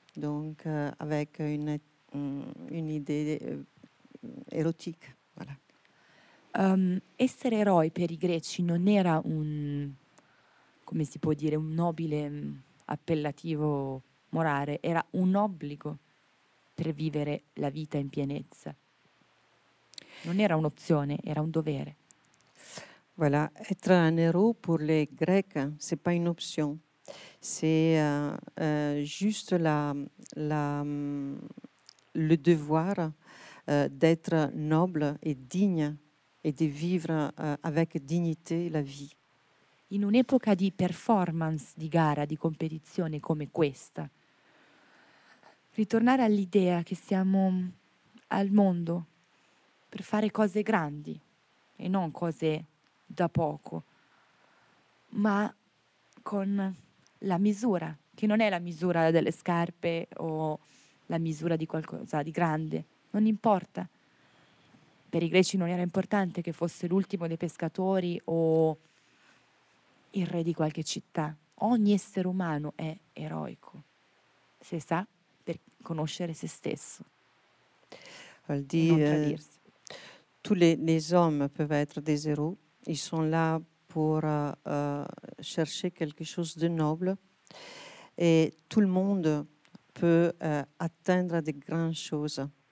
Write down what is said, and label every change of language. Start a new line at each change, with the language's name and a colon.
French: Donc, avec une idée érotique. Voilà.
Italian: Essere eroi per i greci non era un, come si può dire, un nobile appellativo morale, era un obbligo per vivere la vita in pienezza. Non era un'opzione, era un dovere.
French: Voilà, être un héros pour les Grecs, c'est pas une option. C'est juste le devoir d'être noble et digne et de vivre avec dignité la vie.
Italian: In un'epoca di performance, di gara, di competizione come questa, ritornare all'idea che siamo al mondo per fare cose grandi e non cose da poco, ma con la misura, che non è la misura delle scarpe o la misura di qualcosa di grande, non importa. Per i greci non era importante che fosse l'ultimo dei pescatori o il re di qualche città. Ogni essere umano è eroico, se sa per conoscere se stesso. Vuol dire, non tradirsi.
French: Tous les hommes peuvent être des héros. Ils sont là pour chercher quelque chose de noble. Et tout le monde peut atteindre de grandes choses.